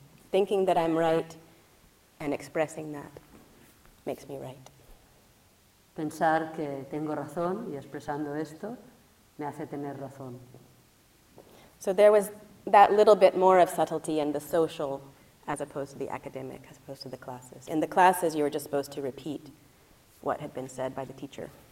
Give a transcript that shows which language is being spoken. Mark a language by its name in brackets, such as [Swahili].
[English] Thinking that I'm right and expressing that makes me right. [Spanish] Pensar que tengo razón y expresando esto me hace tener razón. [English] So there was that little bit more of subtlety in the social as opposed to the academic, as opposed to the classes. In the classes, you were just supposed to repeat what had been said by the teacher.